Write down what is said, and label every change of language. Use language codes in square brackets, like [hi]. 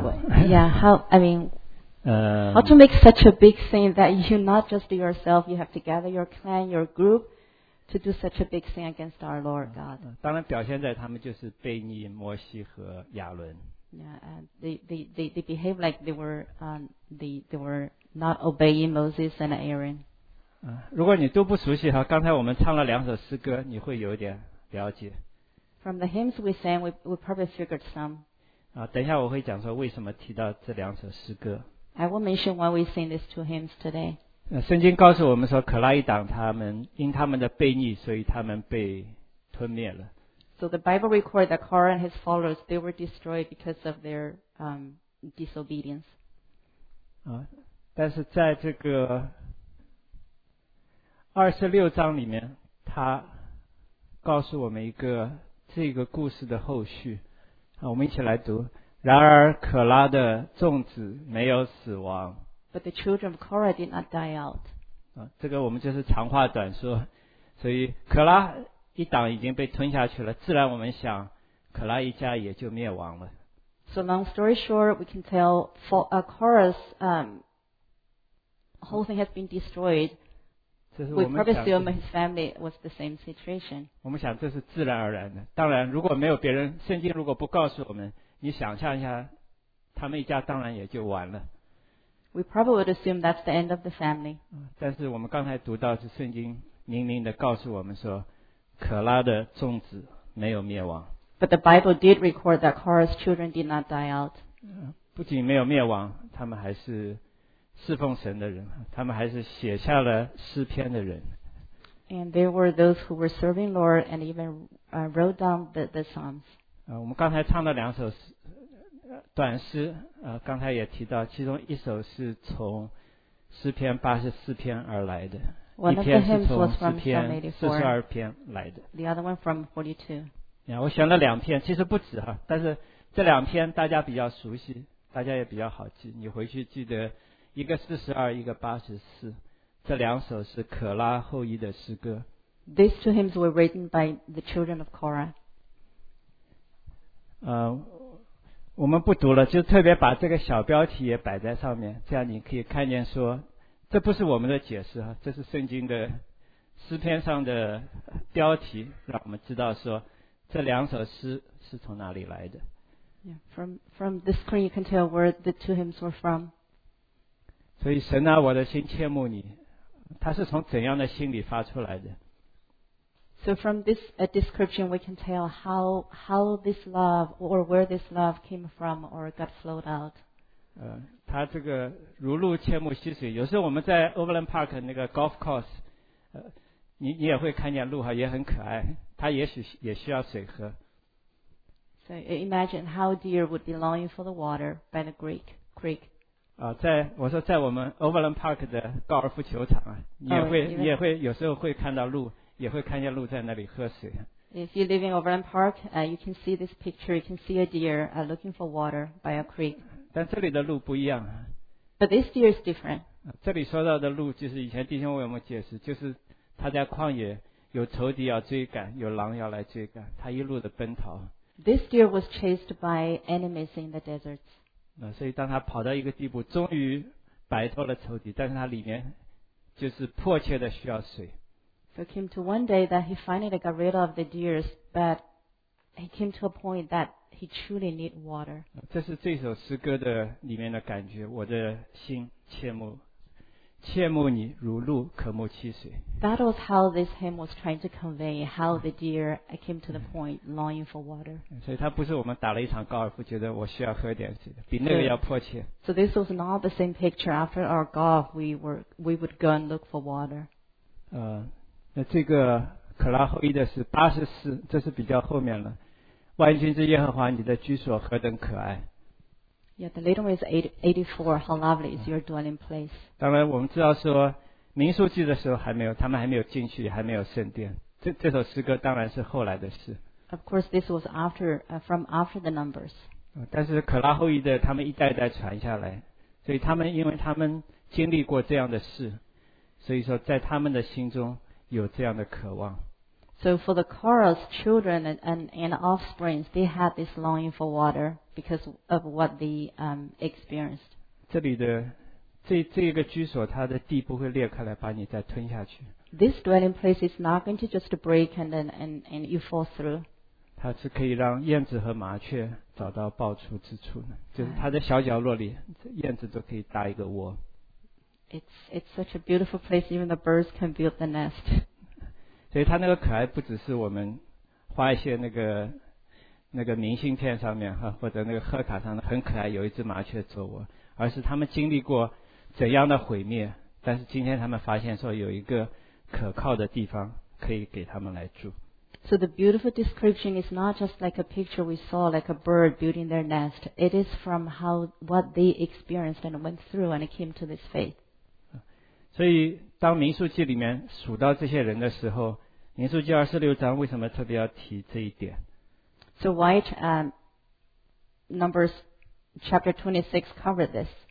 [en] How to make such a big sin that you not just yourself, you have to gather your clan, your group to do such a big sin against our Lord God. [zh] 当然表现在他们就是悖逆摩西和亚伦。 [en] They behave like they were not obeying Moses and Aaron. [zh] 如果你都不熟悉哈，刚才我们唱了两首诗歌，你会有点了解。 [en] From the hymns we sang, we probably figured some. [zh] 等一下我会讲说为什么提到这两首诗歌。 [en] I will mention why we sing these two hymns today. [zh] 圣经告诉我们说，可拉一党他们因他们的悖逆，所以他们被吞灭了。 [en] So the Bible records that Korah and his followers they were destroyed because of their disobedience. [zh] 但是在这个二十六章里面，他告诉我们一个这个故事的后续。我们一起来读。然而可拉的众子没有死亡。 [en] But the children of Korah did not die out. [zh] 这个我们就是长话短说。所以可拉一党已经被吞下去了，自然我们想可拉一家也就灭亡了。 [en] So long story short, we can tell Korah's whole thing has been destroyed. We probably assume his family was the same situation. [zh] 我们想这是自然而然的。当然如果没有别人，圣经如果不告诉我们，你想象一下，他们一家当然也就完了。 [en] We probably would assume that's the end of the family. [zh] 但是我们刚才读到是圣经明明的告诉我们说，可拉的众子没有灭亡。 [en] But the Bible did record that Korah's children did not die out. [zh] 不仅没有灭亡，他们还是侍奉神的人，他们还是写下了诗篇的人。 [en] And there were those who were serving Lord and even wrote down the Psalms. [zh] 我们刚才唱了两首短诗，刚才也提到，其中一首是从诗篇八十四篇而来的，一篇是从诗篇四十二篇来的。 [en] The other one from 42. [zh] 我选了两篇，其实不止哈，但是这两篇大家比较熟悉，大家也比较好记。你回去记得，一个四十二，一个八十四，这两首是可拉后裔的诗歌。 [en] These two hymns were written by the children of Korah. [zh] 我们不读了，就特别把这个小标题也摆在上面，这样你可以看见说，这不是我们的解释哈，这是圣经的诗篇上的标题，让我们知道说这两首诗是从哪里来的。 [en] Yeah, from the screen you can tell where the two hymns were from. [zh] 所以神啊，我的心切慕你，它是从怎样的心里发出来的？ [en] So from this description, we can tell how this love or where this love came from or got flowed out. [zh] 他这个如露切慕溪水，有时候我们在 Overland Park 那个 golf course， 你也会看见鹿哈，也很可爱，它也许也需要水喝。 [en] So imagine how deer would be longing for the water by the Greek creek. [zh] 在我们 Overland Park 的高尔夫球场啊，也会有时候会看到鹿，也会看见鹿在那里喝水。 [en] If you live in Overland Park, you can see this picture. You can see a deer looking for water by a creek. [zh] 但这里的鹿不一样。 [en] But this deer is different. [zh] 这里说到的鹿，就是以前弟兄为我们解释，就是他在旷野有仇敌要追赶，有狼要来追赶，他一路的奔逃。 [en] This deer was chased by enemies in the deserts. [zh] 所以当他跑到一个地步，终于摆脱了仇敌，但是他里面就是迫切的需要水。 [en] So it came to one day that he finally got rid of the deers, but he came to a point that he truly needed water. [zh] 这是这首诗歌的里面的感觉，我的心切慕，切慕你如鹿渴慕溪水。 [en] That was how this hymn was trying to convey how the deer came to the point longing for water. [zh] 所以它不是我们打了一场高尔夫，觉得我需要喝点水，比那个要迫切。 [en] So this was not the same picture. After our golf, we would go and look for water. [zh] 那这个可拉后裔的是84，这是比较后面了。万军之耶和华，你的居所何等可爱。 [en] Yeah, the little one is 84. How lovely is your dwelling place? [zh] 当然，我们知道说民数记的时候还没有，他们还没有进去，还没有圣殿。这首诗歌当然是后来的事。 [en] Of course, this was from after the Numbers. [zh] 但是可拉后裔的他们一代代传下来，所以他们因为他们经历过这样的事，所以说在他们的心中有这样的渴望。 [en] So for the Korah's children and offspring, they had this longing for water because of what they experienced. [zh] 这里的这个居所，它的地不会裂开来把你再吞下去。 [en] This dwelling place is not going to just break and you fall through. [zh] 它是可以让燕子和麻雀找到暴出之处的，就是它的小角落里，燕子都可以搭一个窝。 [en] It's such a beautiful place. Even the birds can build the nest. [zh] 所以它那个可爱不只是我们画一些那个明信片上面哈，或者那个贺卡上的很可爱，有一只麻雀做窝，而是他们经历过怎样的毁灭，但是今天他们发现说有一个可靠的地方可以给他们来住。 [en] So the beautiful description is not just like a picture we saw, like a bird building their nest. It is from how what they experienced and went through and came to this faith. [zh] 所以当民数记里面数到这些人的时候，民数记26章为什么特别要提这一点？ [en] So why Numbers chapter 26 covered this?